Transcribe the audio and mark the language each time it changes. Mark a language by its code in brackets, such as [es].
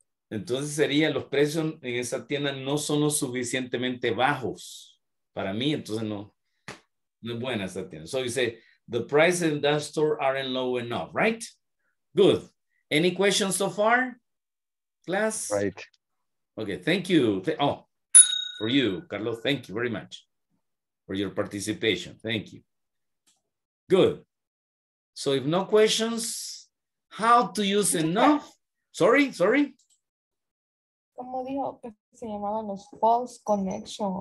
[es] Entonces sería, los precios en esa tienda no son lo suficientemente bajos. Para mí, entonces no es buena esa tienda. [en] So you say, the prices in that store aren't low enough, right? Good. Any questions so far, class? Right. Okay, thank you. Oh. For you, Carlos, thank you very much for your participation. Thank you. Good. So if no questions, how to use enough? Sorry. [es] Como dijo que se llamaban los [en] false connections.